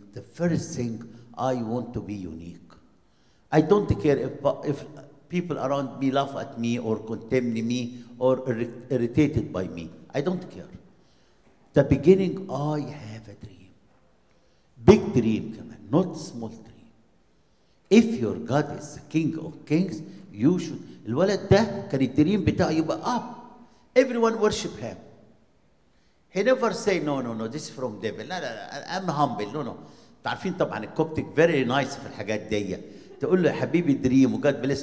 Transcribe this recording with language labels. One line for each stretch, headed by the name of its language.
English: The first thing I want to be unique. I don't care if people around me laugh at me or condemn me or irritated by me. I don't care. The beginning I have a dream. Big dream
Arabic: كمان
English: not small dream. If your God is the King of Kings, you should.
Arabic: الولد ده كان الدريم بتاعه يبقى
English: up. Everyone worship him. He never say no, this is from devil.
Arabic: لا لا لا
English: I'm humble. No.
Arabic: تعرفين طبعا الكوبتيك
English: very nice
Arabic: في الحاجات دي. تقول له يا حبيبي دريم وجاد بليس.